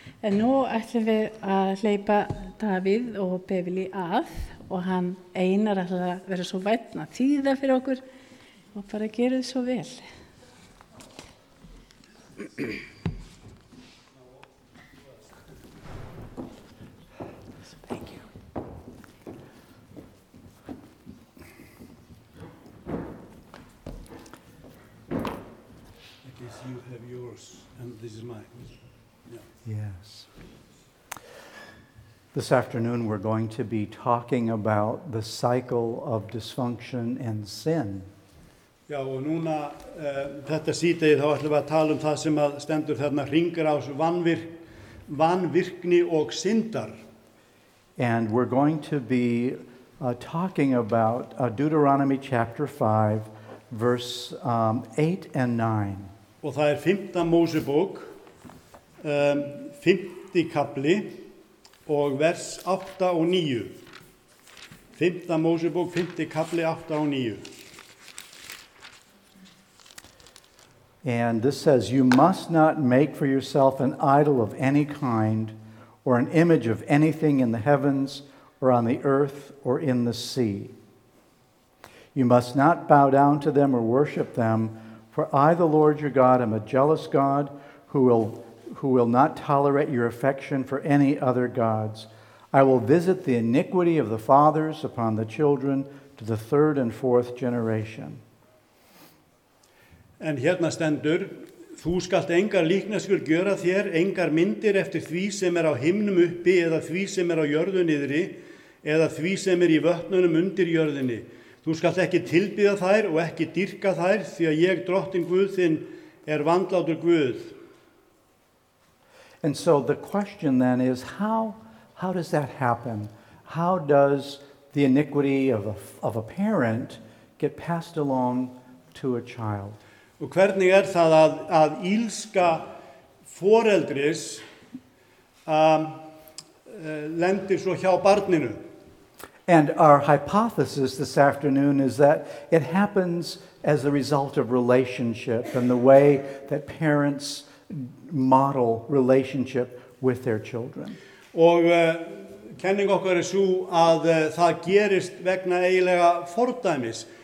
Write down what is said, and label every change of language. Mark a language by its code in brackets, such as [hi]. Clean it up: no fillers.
[is] En nú ætlum við að hleypa Davíð og Beveli að og hann Einar ætlum að vera svo vænn að þýða fyrir okkur og bara gera þið svo vel. [en] I guess you have yours and this is mine. Yes. This afternoon we're going to be talking about the cycle of dysfunction and sin. [is] Já, og núna þetta síðdegi þá ætlum við að tala það sem að stendur þarna hringrás vanvirkni og syndar. [en] And we're going to be talking about Deuteronomy chapter 5 verse 8 and 9. [is] Og það 5. Mósebók 5. kafli og vers 8 og 9. 5. Mósebók 5. kafli 8 og 9. [en] And this says you must not make for yourself an idol of any kind or an image of anything in the heavens or on the earth or in the sea. You must not bow down to them or worship them, for I the Lord your God am a jealous God who will not tolerate your affection for any other gods. I will visit the iniquity of the fathers upon the children to the third and fourth generation. [is] En hérna stendur, þú skalt engar líkneskur gjöra þér, engar myndir eftir því sem á himnum uppi eða því sem á jörðu niðri eða því sem í vötnunum undir jörðinni. Þú skalt ekki tilbiða þær og ekki dyrka þær því að ég, drottinn Guð þinn, vandlátur Guð. [en] And so the question then is, how does that happen? How does the iniquity of a parent get passed along to a child? [is] Og hvernig það að ílska foreldris lendir svo hjá barninu? [en] And our hypothesis this afternoon is that it happens as a result of relationship and the way that parents model relationship with their children. [is] Og kenning okkar sú að það gerist vegna eiginlega fordæmis.